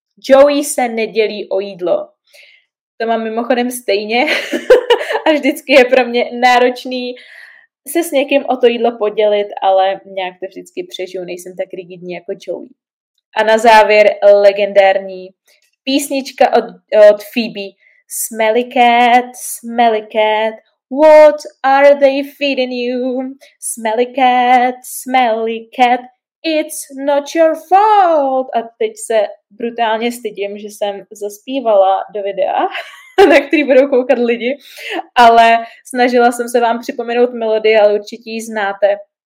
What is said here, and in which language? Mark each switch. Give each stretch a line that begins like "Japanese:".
Czech: Joey se nedělí o jídlo. To mám mimochodem stejně a vždycky je pro mě náročný se s někým o to jídlo podělit, ale nějak to vždycky přežiju, nejsem tak rigidní jako Joey. A na závěr legendární písnička od Phoebe.
English: Smelly cat, what are they feeding you? Smelly cat, it's not your fault.
Czech: A teď se brutálně stydím, že jsem zaspívala do videa, na který budou koukat lidi, ale snažila jsem se vám připomenout melodii, ale určitě ji znáte.